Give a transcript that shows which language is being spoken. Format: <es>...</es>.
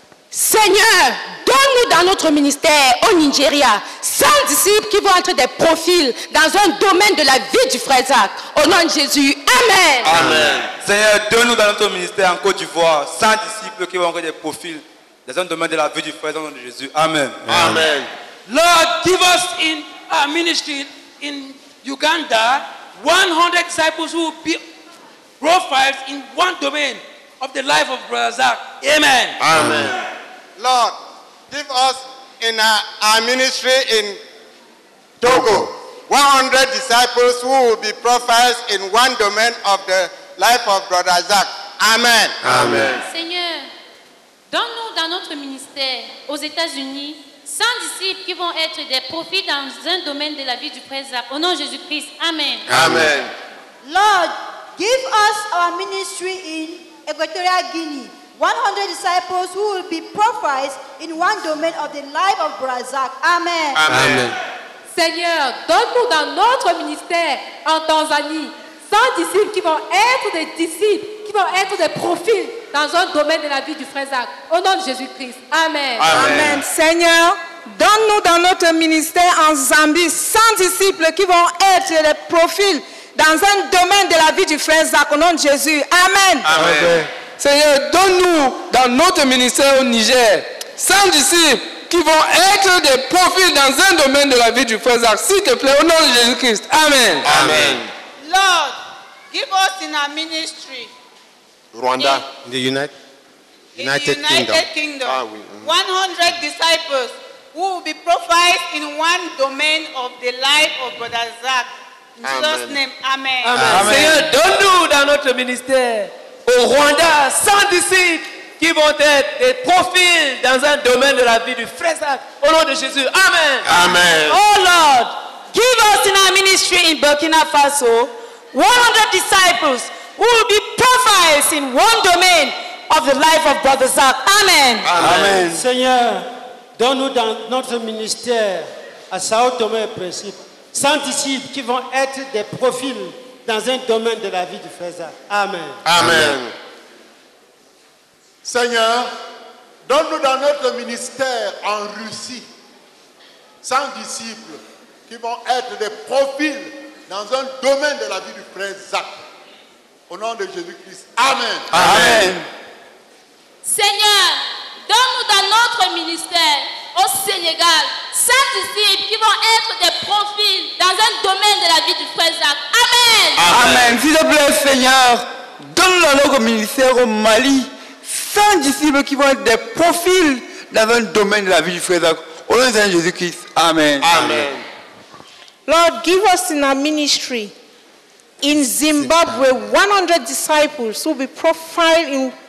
<fr>Seigneur, donne-nous dans notre ministère au Nigeria 100 disciples qui vont être des profils dans un domaine de la vie du frère Zach. Au nom de Jésus. Amen. Amen. Seigneur, donne-nous dans notre ministère en Côte d'Ivoire 100 disciples qui vont être des profils dans un domaine de la vie du frère Zach. Au nom de Jésus. Amen. Amen.</fr> <en>Lord, give us in our ministry in Uganda 100 disciples who will be profiles in one domain of the life of Brother Zach. Amen. Amen. Lord, give us in our ministry in Togo 100 disciples who will be prophets in one domain of the life of Brother Zach. Amen. Amen.</en> <fr>Seigneur, donne-nous dans notre ministère aux États-Unis 100 disciples qui vont être des prophètes dans un domaine de la vie du frère Zach. Au nom de Jésus-Christ. Amen. Amen.</fr> <en>Lord, give us our ministry in Equatorial Guinea 100 disciples who will be prophets in one domain of the life of Brother Zach. Amen. Amen. Amen.</en> <fr>Seigneur, donne-nous dans notre ministère en Tanzanie 100 disciples qui vont être des disciples, qui vont être des profils dans un domaine de la vie du frère Zach. Au nom de Jésus-Christ. Amen. Amen. Amen. Seigneur, donne-nous dans notre ministère en Zambie 100 disciples qui vont être des profils dans un domaine de la vie du frère Zach. Au nom de Jésus. Amen. Amen. Amen. Seigneur, donne-nous dans notre ministère au Niger 100 disciples qui vont être des profils dans un domaine de la vie du frère Zach, s'il te plaît, au nom de Jésus-Christ. Amen. Amen.</fr> <en>Lord, give us in our ministry Rwanda, in the United Kingdom.</en> <fr>Ah, oui.</fr> <en>100 disciples who will be prophets in one domain of the life of Brother Zach. In Jesus' name, amen. Amen. Amen.</en> <fr>Seigneur, donne-nous dans notre ministère au Rwanda, 100 disciples qui vont être des profils dans un domaine de la vie du frère Zach. Au nom de Jésus. Amen. Amen.</fr> <en>Oh Lord, give us in our ministry in Burkina Faso 100 disciples who will be prophets in one domain of the life of Brother Zach. Amen. Amen.</en> <fr>Seigneur, donne-nous dans notre ministère à Sao Tome et Principe 100 disciples qui vont être des profils dans un domaine de la vie du frère Zach. Amen. Amen. Seigneur, donne-nous dans notre ministère en Russie 100 disciples qui vont être des profils dans un domaine de la vie du frère Zach. Au nom de Jésus-Christ. Amen. Amen. Seigneur, donne-nous dans notre ministère au Sénégal 100 disciples qui vont être des profils dans un domaine de la vie du frère Zach. Amen. Amen. S'il te plaît, Seigneur, donne-nous dans notre ministère au Mali 100 disciples qui vont être des profils dans un domaine de la vie du frère Zach. Au nom de Jésus-Christ. Amen. Amen.</fr> <en>Lord, give us in our ministry in Zimbabwe 100 disciples who will be profiled in</en>